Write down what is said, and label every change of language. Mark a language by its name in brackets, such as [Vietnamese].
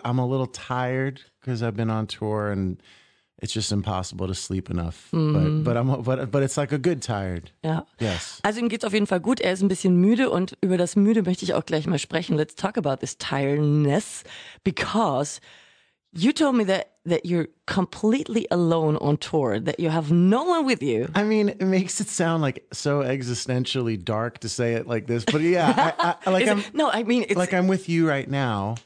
[English] I'm a little tired because I've been on tour and it's just impossible to sleep enough. Mm-hmm. But it's like a good tired. Yeah. Yes. [German] Also ihm geht's auf jeden Fall gut. Er ist ein bisschen müde und über das Müde möchte ich auch gleich mal sprechen. [English] Let's talk about this tiredness because you told me that you're completely alone on tour, that you have no one with you. I mean, it makes it sound like so existentially dark to say it like this, but yeah, I mean, like I'm with you right now.